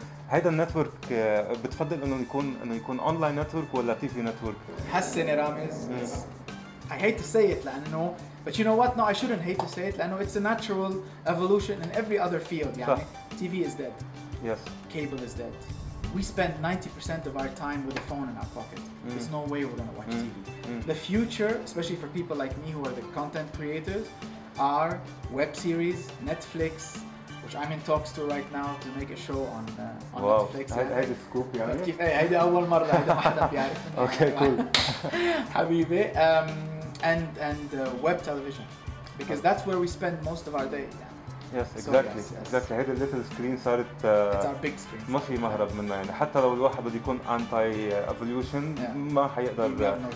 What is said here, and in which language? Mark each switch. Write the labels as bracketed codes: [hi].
[ar] هيدا النتورك بتفضل انه يكون اونلاين نتورك ولا تي في نتورك؟ حسني رامز. [en] I hate to say it لانه but you know what, no I shouldn't hate to say it لانه it's a natural evolution in every other field. يعني TV is dead. Yes. Cable is dead. We spend 90% of our time with a phone in our pocket. There's no way we're gonna watch TV. The future, especially for people like me who are the content creators, are web series, Netflix, which I'm in talks to right now to make a show on Netflix. [ar] هيدا سكوب يعني؟ هيدا أول مرة, هيدا ما حدا بيعرف. [en] Okay, cool. حبيبي. And web television. Because that's where we spend most of our day. Yes, exactly. هيدا little screen صارت it's our big screen. [ar] ما في مهرب منها يعني, حتى لو الواحد بده يكون anti evolution ما حيقدر.